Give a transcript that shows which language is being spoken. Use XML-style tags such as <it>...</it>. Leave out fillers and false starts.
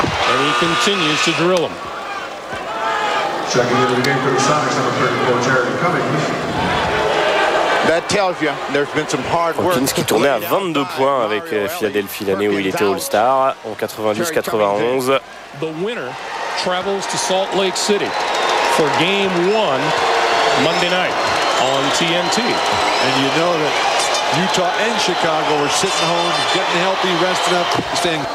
<en>And he continues to drill him. Checking into the game for the Sonics, number 34, Jared Cummings. That tells you there's been some hard work.</en> <fr>Hawkins qui tournait à 22 points avec Philadelphie l'année où il était All-Star en 90-91.</fr> <en>The winner travels to Salt Lake City for game one Monday night on TNT. And you know that Utah and Chicago are sitting home, getting healthy, resting up, staying.</en>